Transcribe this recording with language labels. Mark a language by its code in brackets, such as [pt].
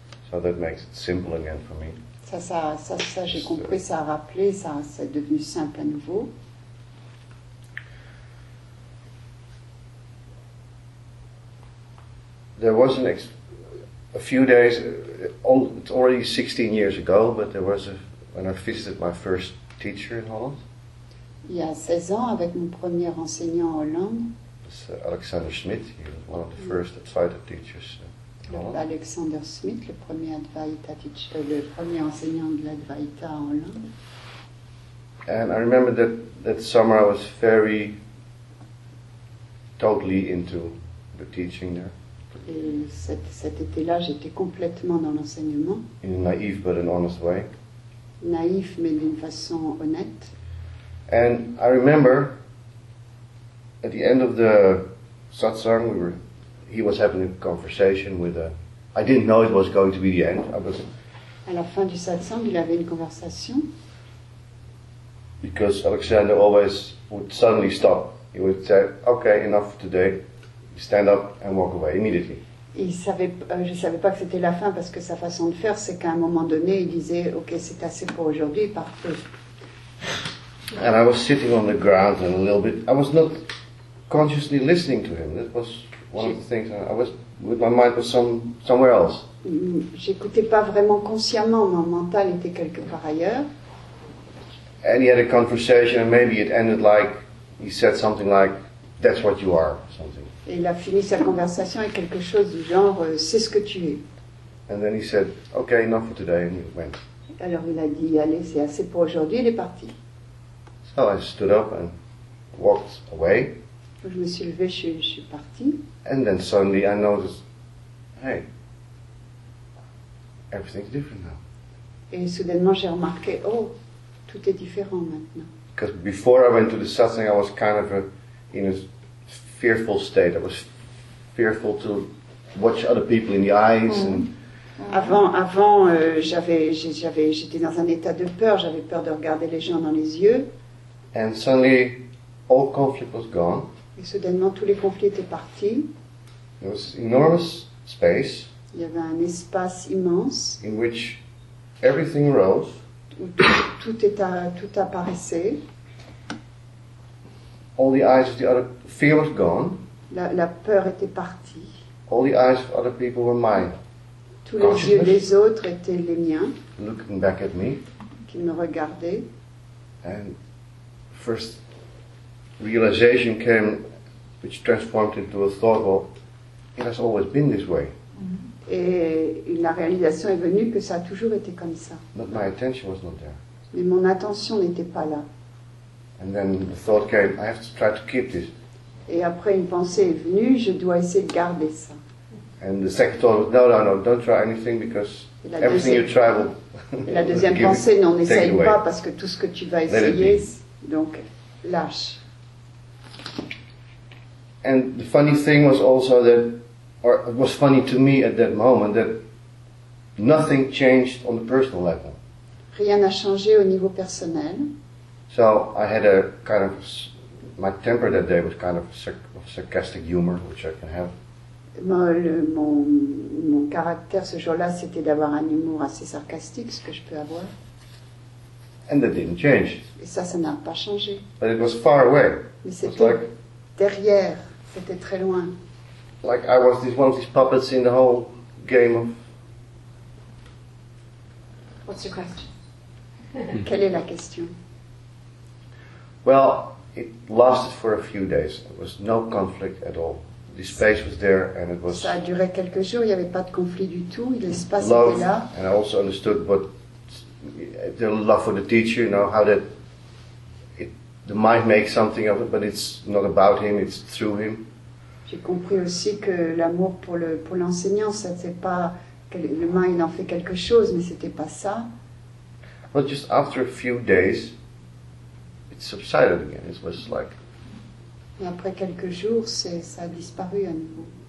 [en] So that makes it simple again for me. [fr] Ça, j'ai compris, ça a rappelé, ça c'est devenu simple à nouveau. [en] There was a few days, it's already 16 years ago, but there was when I visited my first teacher in Holland. [fr] Il y a 16 ans, avec mon premier enseignant en Hollande. [en] It's Alexander Schmidt, he was one of the first Advaita teachers in Holland. [fr] Alexander Schmidt, le premier Advaita teacher, le premier enseignant de l'Advaita en Hollande. [en] And I remember that summer I was very totally into the teaching there. [fr] Et cet été-là, j'étais complètement dans l'enseignement. [en] In a naive but an honest way. [fr] Naïf, mais d'une façon honnête. [en] And I remember at the end of the satsang, he was having a conversation with a. I didn't know it was going to be the end. I was. [fr] À la fin du satsang, il avait une conversation. [en] Because Alexander always would suddenly stop. He would say, "Okay, enough today. Stand up and walk away immediately." [fr] Je ne savais pas que c'était la fin parce que sa façon de faire, c'est qu'à un moment donné, il disait « Ok, c'est assez pour aujourd'hui, partez. » [en] And I was sitting on the ground and a little bit, I was not consciously listening to him. That was one of the things, I was, with my mind was somewhere else. [fr] J'écoutais pas vraiment consciemment, mon mental était quelque part ailleurs. [en] And he had a conversation and maybe it ended like, he said something like, « That's what you are, something. » [fr] Et il a fini sa conversation avec quelque chose du genre « C'est ce que tu es ». [en] And then he said, okay, enough for today, and he went. [fr] Alors il a dit « Allez, c'est assez pour aujourd'hui », il est parti. [en] So I stood up and walked away. [fr] Je me suis levé, je suis parti. [en] And then suddenly I noticed, hey, everything's different now. [fr] Et soudainement j'ai remarqué, oh, tout est différent maintenant. [en] Because before I went to the satsang, I was kind of in a fearful state. I was fearful to watch other people in the eyes. Mm. And [fr] avant, j'étais dans un état de peur. J'avais peur de regarder les gens dans les yeux. [en] And suddenly, all conflict was gone. [fr] Et soudainement, tous les conflits étaient partis. [en] There was enormous space. [fr] Il y avait un espace immense. [en] In which everything rose. [fr] Où tout apparaissait. [en] All the eyes of the other, fear was gone. [fr] La peur était partie. [en] All the eyes of other people were mine. [fr] Tous les yeux des autres étaient les miens. [en] Looking back at me. [fr] Qui me regardaient. [en] And first realization came, which transformed into a thought, well, it has always been this way. Mm-hmm. [fr] Et la réalisation est venue que ça a toujours été comme ça. [en] But my attention was not there. [fr] Mais mon attention n'était pas là. [en] And then the thought came, I have to try to keep this. [fr] Et après une pensée est venue, je dois essayer de garder ça. [en] And the second thought was, no, don't try anything because everything you try will give. [fr] La deuxième pensée, non, n'essaye pas parce que tout ce que tu vas essayer, donc lâche. [en] And the funny thing was also that, or it was funny to me at that moment, that nothing changed on the personal level. [fr] Rien n'a changé au niveau personnel. [en] So I had a kind of, my temper that day was kind of sarcastic humor, which I can have. [fr] Mon caractère ce jour-là, c'était d'avoir un humour assez sarcastique, ce que je peux avoir. [en] And that didn't change. [fr] Et ça n'a pas changé. [en] But it was far away. [fr] Mais c'était like, derrière, c'était très loin. [en] Like I was this, one of these puppets in the whole game of... What's your question? [fr] Quelle est la question? [en] Well, it lasted for a few days. There was no conflict at all. The space was there, and it was. [fr] Ça a duré quelques jours. Il n'y avait pas de conflit du tout. L'espace était là. [en] And I also understood what the love for the teacher. You know how that the mind makes something of it, but it's not about him. It's through him. [fr] J'ai compris aussi que l'amour pour l'enseignant, ça c'est pas le mind en fait quelque chose, mais c'était pas ça. [en] But just after a few days, it subsided again. It was like. [fr] Et après quelques jours, ça a disparu à nouveau.